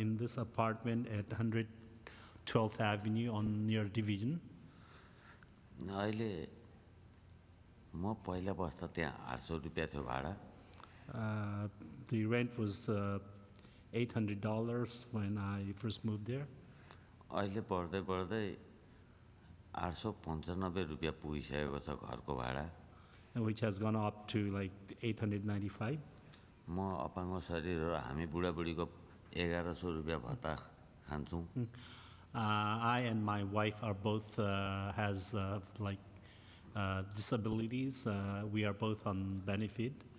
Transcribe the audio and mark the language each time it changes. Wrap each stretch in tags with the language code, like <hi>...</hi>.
<en>In this apartment at 100 12th Avenue on near Division.</en> <ne>अहिले म पहिला बस्दा त्यहाँ 800 रुपैयाँ थियो भाडा.</ne> <en>The rent was $800 when I first moved there.</en> <ne>अहिले पढ्दै पढ्दै 895 रुपैयाँ पुगिसकेको छ घरको भाडा.</ne> <en>Which has gone up to like 895.</en> <ne>म अपाङ्ग शरीर र हामी बुढाबुढीको 1100 रुपैयाँ भत्ता खान्छौँ.</ne> <en>I and my wife are both has like disabilities. We are both on benefit.</en>